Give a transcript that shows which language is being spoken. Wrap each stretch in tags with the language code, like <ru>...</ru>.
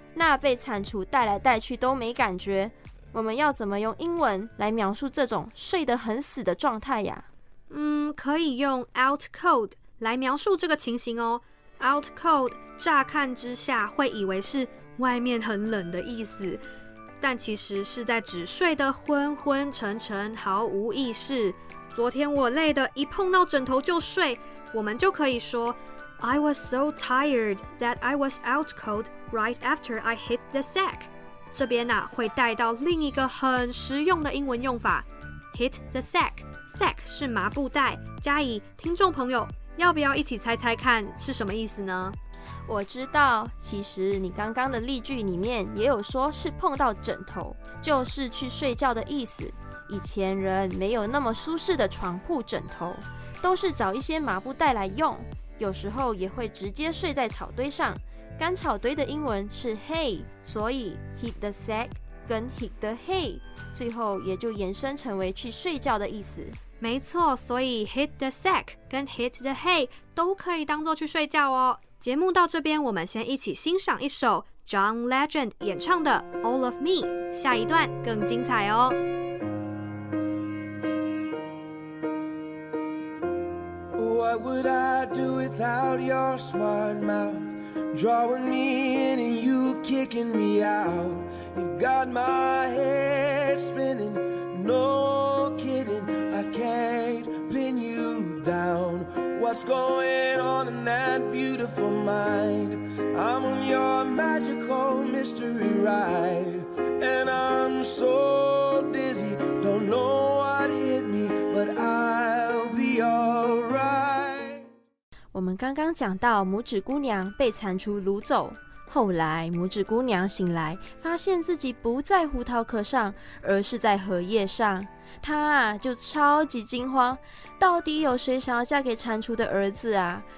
<zh>那被蟾蜍带来带去都没感觉，我们要怎么用英文来描述这种睡得很死的状态呀？可以用 out cold 来描述这个情形哦。 out cold 乍看之下会以为是外面很冷的意思，但其实是在指睡得昏昏沉沉，毫无意识。昨天我累得一碰到枕头就睡，我们就可以说</zh> <en>I was so tired that I was out cold right after I hit the sack。</en> <zh>这边啊会带到另一个很实用的英文用法， hit the sack。 sack 是麻布袋，加以听众朋友要不要一起猜猜看是什么意思呢？我知道，其实你刚刚的例句里面也有说是碰到枕头，就是去睡觉的意思。以前人没有那么舒适的床铺枕头，都是找一些麻布袋来用，有时候也会直接睡在草堆上。干草堆的英文是 hay， 所以 hit the sack 跟 hit the hay 最后也就延伸成为去睡觉的意思。没错，所以 hit the sack 跟 hit the hay 都可以当作去睡觉哦。节目到这边，我们先一起欣赏一首 John Legend 演唱的 All of Me， 下一段更精彩哦。</zh> <en>What would I do without your smart mouth drawing me in and you kicking me out? You got my head spinning, no kidding, I can't pin you down. What's going on in that beautiful mind? I'm on your magical mystery ride. And I'm so dizzy, don't know what hit me, but I'll be alright.</en> <zh>我们刚刚讲到拇指姑娘被蟾蜍掳走，后来拇指姑娘醒来，发现自己不在胡桃壳上，而是在荷叶上。他就超级惊慌，到底有谁想要嫁给蟾蜍的儿子啊？</zh>